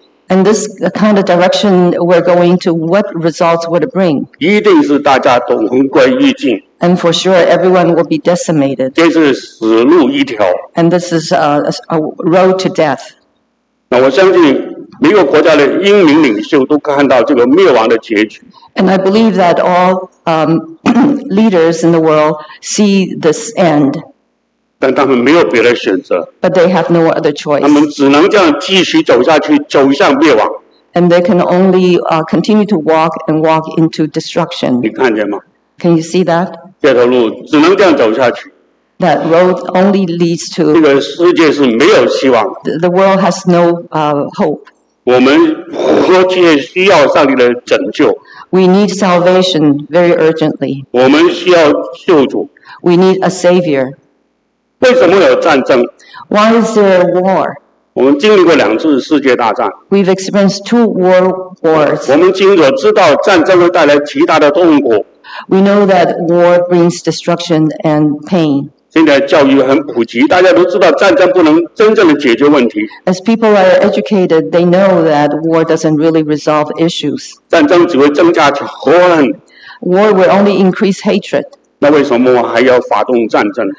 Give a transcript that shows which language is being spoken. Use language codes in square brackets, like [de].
[en] And this kind of direction we're going to, what results would it bring? [zh] 一定是大家都魂归于尽。 [en] And for sure, everyone will be decimated. [zh] 这是死路一条。 [en] And this is a road to death. [zh] 那我相信每个国家的英明领袖都看到这个灭亡的结局。 [en] And I believe that all leaders in the world see this end. [zh] 但他们没有别的选择, [en] but they have no other choice. [zh] 他们只能这样继续走下去, 走向灭亡。 [en] And they can only continue to walk and walk into destruction. [zh] 你看见吗? [en] Can you see that? [zh] 这条路只能这样走下去。 [en] That road only leads to [zh] 这个世界是没有希望, [en] the world has no hope. [zh] 我们迫切需要上帝的拯救。 [en] We need salvation very urgently. [zh] 我们需要救主。 [en] We need a savior. [zh] 为什么有战争? [en] Why is there a war? [zh] 我们经历过两次世界大战。 [en] We've experienced two world wars. [zh] 我们清楚知道战争会带来极大的痛苦。 [en] We know that war brings destruction and pain. [zh] 现在教育很普及, 大家都知道战争不能真正的解决问题。 [en] As people are educated, they know that war doesn't really resolve issues. [zh] 战争只会增加仇恨。 [en] War will only increase hatred. [zh] 那为什么还要发动战争?